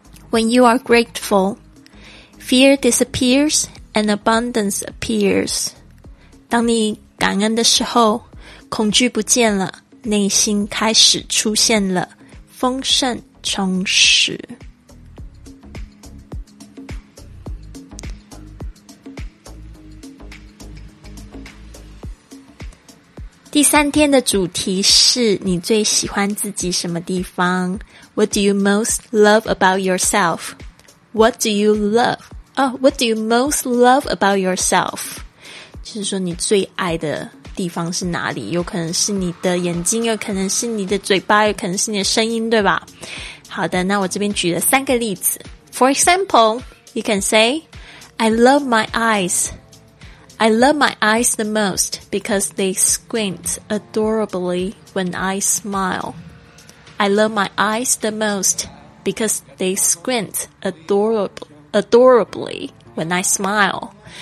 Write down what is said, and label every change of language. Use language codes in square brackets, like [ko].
[en] When you are grateful, fear disappears and abundance appears. [zh] 当你感恩的时候，恐惧不见了，内心开始出现了丰盛充实。第三天的主题是你最喜欢自己什么地方？ [en] What do you most love about yourself? What do you love? Oh, what do you most love about yourself? [zh] 就是说你最爱的地方是哪里，有可能是你的眼睛，有可能是你的嘴巴，有可能是你的声音，对吧？好的，那我这边举了三个例子。 [en] For example, you can say I love my eyes. I love my eyes the most because they squint adorably when I smile. I love my eyes the most because they squint adorably when I smile.